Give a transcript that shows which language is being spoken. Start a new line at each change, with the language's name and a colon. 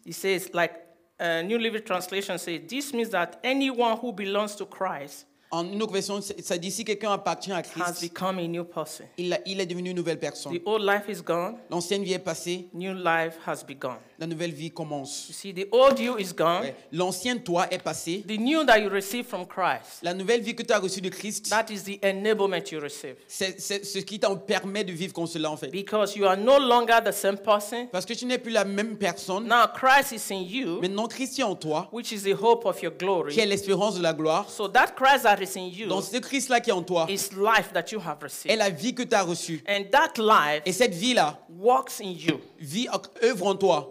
English: He says, like a New Living Translation says, this means that anyone who belongs to Christ.
French: En une autre version, ça dit si quelqu'un appartient à Christ, il est devenu une nouvelle personne.
English: The old life is gone.
French: L'ancienne vie est passée.
English: New life has begun.
French: La nouvelle vie commence.
English: You see, the old you is gone.
French: L'ancien toi est passé.
English: The new that you receive from Christ.
French: La nouvelle vie que tu as reçue de Christ.
English: That is the enablement you receive.
French: C'est ce qui t'en permet de vivre comme cela en fait.
English: Because you are no longer the same person.
French: Parce que tu n'es plus la même personne.
English: Now Christ is in you.
French: Maintenant Christ est en toi.
English: Which is the hope of your glory.
French: Qui est l'espérance de la gloire.
English: So that Christ that is in you.
French: Donc ce Christ là qui est en toi.
English: Is life that you have received.
French: Est la vie que tu as reçue.
English: And that life.
French: Et cette vie là.
English: Works in you.
French: Vie œuvre en toi.